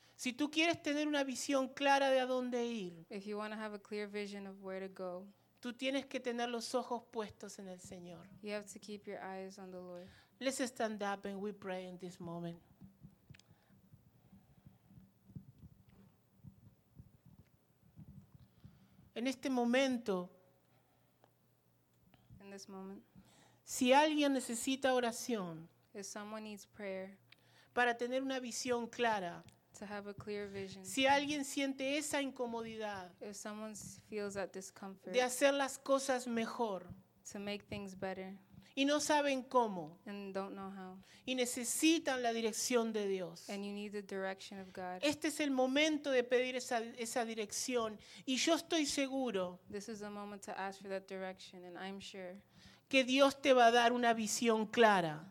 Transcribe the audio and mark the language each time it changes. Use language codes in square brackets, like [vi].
[es] Si tú quieres tener una visión clara de a dónde ir. [en] If you want to have a clear vision of where to go. [es] Tú tienes que tener los ojos puestos en el Señor. [en] You have to keep your eyes on the Lord. Let's stand up and we pray in this moment. [es] En este momento, [en] in this moment, [es] si alguien necesita oración, [en] if someone needs prayer, [es] para tener una visión clara, [en] to have a clear vision. [es] Si alguien siente esa incomodidad, [en] if someone feels that discomfort, [es] de hacer las cosas mejor, [en] to make things better, [es] y no saben cómo, [en] and don't know how, [es] y necesitan la dirección de Dios, [en] and you need the direction of God. [es] Este es el momento de pedir esa dirección, y yo estoy seguro, [en] this is the moment to ask for that direction, and I'm sure, [es] que Dios te va a dar una visión clara